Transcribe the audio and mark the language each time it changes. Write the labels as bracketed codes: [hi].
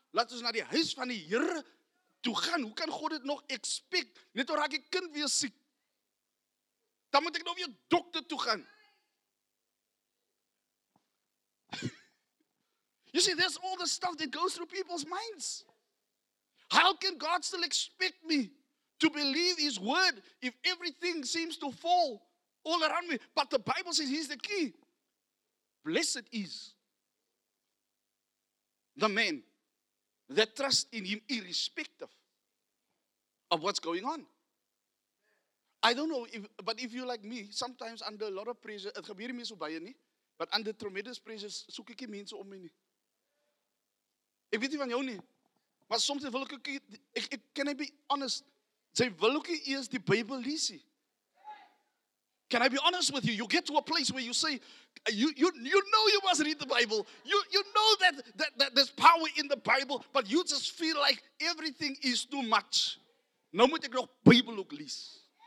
[af] Laat ons na die huis van die Here toe gaan. Hoe kan God dit nog expect? Net oor raak die kind weer siek. Dan moet ek nog weer dokter toe gaan. [en] You see, there's all the stuff that goes through people's minds. How can God still expect me to believe his word if everything seems to fall all around me? But the Bible says he's the key. Blessed is the man that trusts in him irrespective of what's going on. I don't know, if you're like me, sometimes under a lot of pressure, it [af] gebeur nie so baie nie, [en] but under tremendous pressure, [af] soek ek mense om my nie. Ek weet nie van jou nie. Maar soms wil ek, [en] can I be honest? [af] Sy wil ook eers die Bybel lees. [en] Can I be honest with you? You get to a place where you say, you know you must read the Bible. You know that there's power in the Bible, but you just feel like everything is too much. [af] Nou moet ek nog Bybel ook lees.